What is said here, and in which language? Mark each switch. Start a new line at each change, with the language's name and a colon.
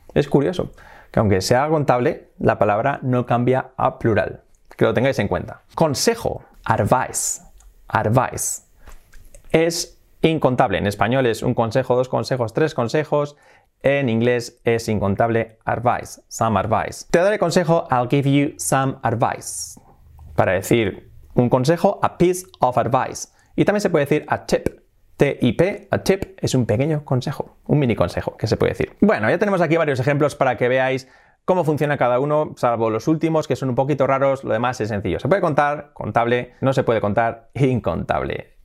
Spanish: Es curioso, que aunque sea contable, la palabra no cambia a plural, que lo tengáis en cuenta. Consejo. Advice. Advice. Es incontable. En español es un consejo, dos consejos, tres consejos. En inglés es incontable. Advice.
English: Some advice.
Spanish: Te daré consejo.
English: I'll give you some advice.
Spanish: Para decir un consejo,
English: a piece of advice.
Spanish: Y también se puede decir a tip. T-I-P. A tip es un pequeño consejo. Un mini consejo que se puede decir. Bueno, ya tenemos aquí varios ejemplos para que veáis cómo funciona cada uno, salvo los últimos que son un poquito raros, lo demás es sencillo. Se puede contar, contable, no se puede contar, incontable.